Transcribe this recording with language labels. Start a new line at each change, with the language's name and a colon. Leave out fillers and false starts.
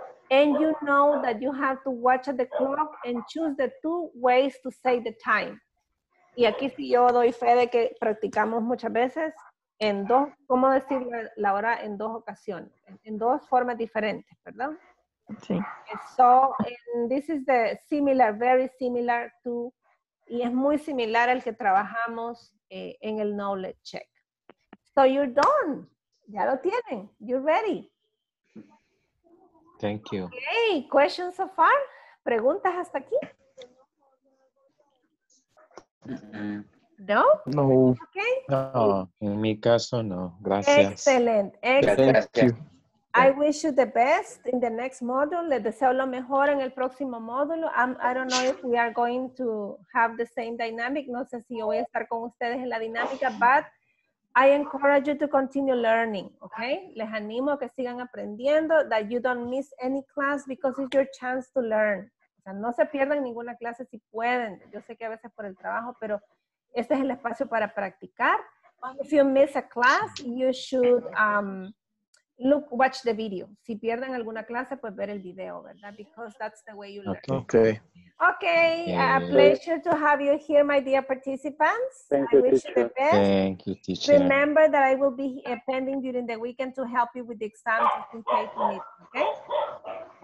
English: And you know that you have to watch the clock and choose the two ways to say the time.
Spanish: Y aquí sí yo doy fe de que practicamos muchas veces en dos, ¿cómo decir la hora en dos ocasiones? En dos formas diferentes, ¿verdad? Sí.
English: So, and this is the similar, very similar to,
Spanish: y es muy similar al que trabajamos en el knowledge check.
English: So you're done.
Spanish: Ya lo tienen.
English: You're ready. Thank you. Okay, questions so far?
Spanish: ¿Preguntas hasta aquí? ¿No? No.
English: Okay.
Spanish: No, en mi caso no. Gracias. Excelente.
English: Excellent. Thank you. I wish you the best in the next module.
Spanish: Le deseo lo mejor en el próximo módulo.
English: I don't know if we are going to have the same dynamic.
Spanish: No sé si yo voy a estar con ustedes en la dinámica,
English: but I encourage you to continue learning, okay?
Spanish: Les animo a que sigan aprendiendo,
English: that you don't miss any class because it's your chance to learn.
Spanish: O sea, no se pierdan ninguna clase si pueden. Yo sé que a veces por el trabajo, pero este es el espacio para practicar.
English: If you miss a class, you should watch the video.
Spanish: Si pierden alguna clase, pues ver el video, ¿verdad?
English: Because that's the way you learn. Okay. Okay, a pleasure to have you here, my dear participants. Thank you, teacher. Thank you, teacher. Remember that I will be attending during the weekend to help you with the exam if you're taking it, okay?